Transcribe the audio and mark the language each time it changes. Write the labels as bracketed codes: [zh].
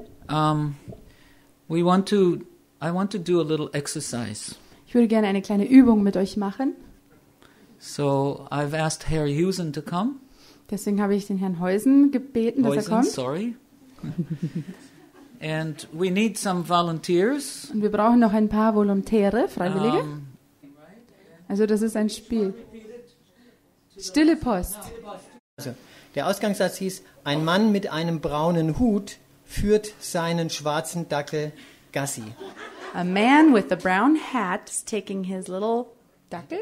[en] I want to do a little exercise. [de] Ich würde gerne eine kleine Übung mit euch machen. [en] So I've asked Herr Huysen to come. [de] Deswegen habe ich den Herrn Huysen gebeten, dass er kommt. [en] Sorry. And we need some volunteers. [de] Und wir brauchen noch ein paar Volontäre, Freiwillige. Also das ist ein Spiel. Stille Post. Also, der Ausgangssatz hieß, ein Mann mit einem braunen Hut führt seinen schwarzen Dackel Gassi. [en] A man with a brown hat is taking his little dackel?